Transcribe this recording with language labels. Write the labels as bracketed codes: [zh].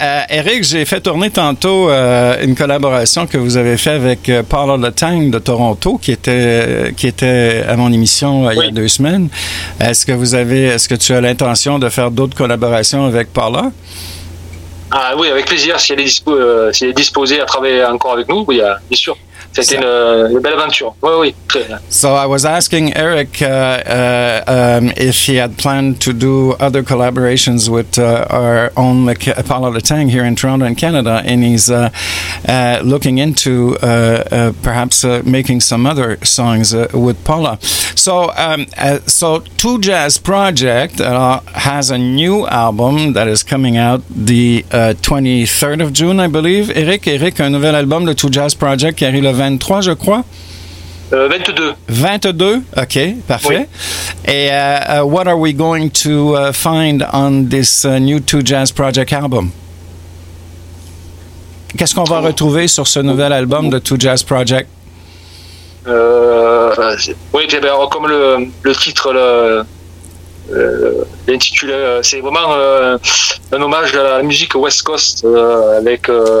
[fr] Eric, j'ai fait tourner tantôt une collaboration que vous avez fait avec Paul Letang de Toronto, qui était à mon émission il y a 2 semaines. Est-ce que tu as l'intention de faire d'autres collaborations avec Paul? Oui, avec plaisir. Si elle est disposé à travailler encore avec nous, oui, bien sûr. [en] So I was asking Eric if he had planned to do other collaborations with our own Paulo Letang here in Toronto and Canada, and he's looking into perhaps making some other songs with Paula. So so Two Jazz Project has a new album that is coming out the 23rd of June, I believe. [fr] Eric, un nouvel album de Two Jazz Project qui arrive le 23, je crois? 22. OK, parfait. Oui. [en] Et what are we going to find on this new Two Jazz Project album? [fr] Qu'est-ce qu'on va retrouver sur ce nouvel album de Two Jazz Project? Oui, bien, comme le titre l'intitule, c'est vraiment un hommage à la musique West Coast avec...